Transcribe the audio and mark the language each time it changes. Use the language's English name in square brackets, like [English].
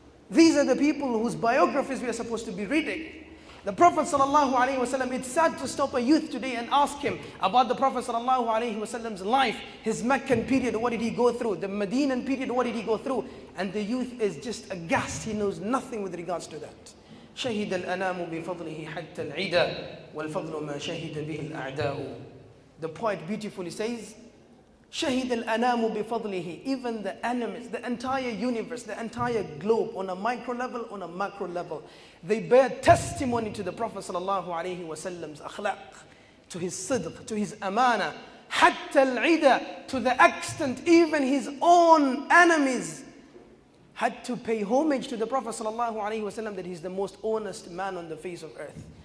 [English] These are the people whose biographies we are supposed to be reading. The Prophet sallallahu alaihi wasallam, it's sad to stop a youth today and ask him about the Prophet sallallahu alaihi wasallam's life, his Meccan period, what did he go through, the Medinan period, what did he go through, and the youth is just aghast, he knows nothing with regards to that. [Arabic] شهد الأنام بفضله حتى العدا والفضل ما شهد به الأعداء. [English] The poet beautifully says, [Arabic] شهد الأنام بفضله, [English] even the enemies, the entire universe, the entire globe, on a micro level, on a macro level, they bear testimony to the Prophet [Arabic] صلى الله عليه وسلم's [English] أخلاق, to his صدق, to his أمانة, [Arabic] حتى العدا, [English] to the extent even his own enemies had to pay homage to the Prophet sallallahu alaihi wasallam, that he's the most honest man on the face of earth.